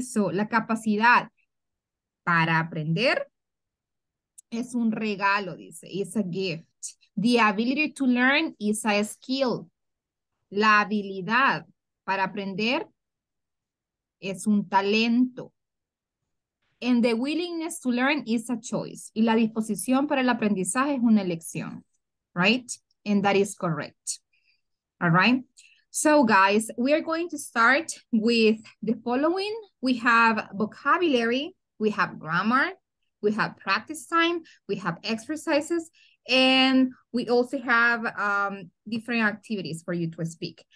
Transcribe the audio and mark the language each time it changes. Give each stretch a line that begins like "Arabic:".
Spanish: So la capacidad para aprender es un regalo, dice,
English: it's a gift. The ability to learn is a skill.
Spanish: La habilidad para aprender es un talento.
English: And the willingness to learn is a choice.
Spanish: Y la disposición para el aprendizaje es una elección.
English: Right? And that is correct. All right? So, guys, we are going to start with the following. We have vocabulary. We have grammar. We have practice time. We have exercises. And we also have different activities for you to speak.